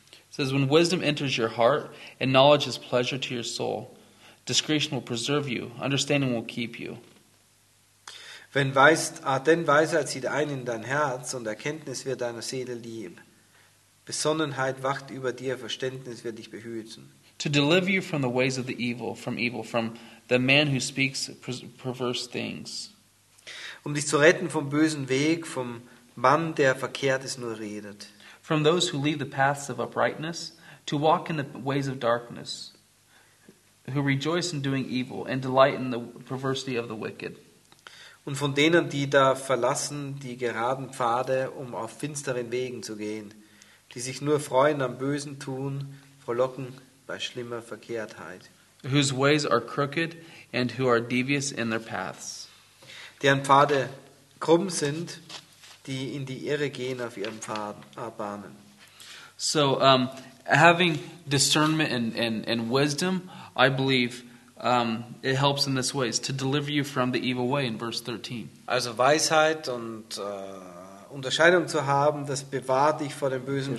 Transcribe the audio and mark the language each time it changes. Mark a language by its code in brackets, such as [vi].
[en] says, when wisdom enters your heart and knowledge is pleasure to your soul, discretion will preserve you, understanding will keep you. [de] Wenn Weisheit zieht ein in dein Herz und Erkenntnis wird deiner Seele lieb. Besonnenheit wacht über dir, Verständnis wird dich behüten. [en] To deliver you from the ways of the evil, from evil, from the man who speaks perverse things. [de] Um dich zu retten vom bösen Weg, vom Mann, der Verkehrtes nur redet. [en] From those who leave the paths of uprightness, to walk in the ways of darkness, who rejoice in doing evil and delight in the perversity of the wicked. [de] Und von denen, die da verlassen, die geraden Pfade, um auf finsteren Wegen zu gehen, die sich nur freuen am Bösen tun, frohlocken bei schlimmer Verkehrtheit. [en] Whose ways are crooked and who are devious in their paths. [de] Deren Pfade krumm sind, die in die Irre gehen auf ihren Pfaden erbarmen. [en] So, having discernment and wisdom, I believe, it helps in this way, to deliver you from the evil way in verse 13. [de] Also Weisheit und Unterscheidung zu haben, das bewahrt dich vor dem bösen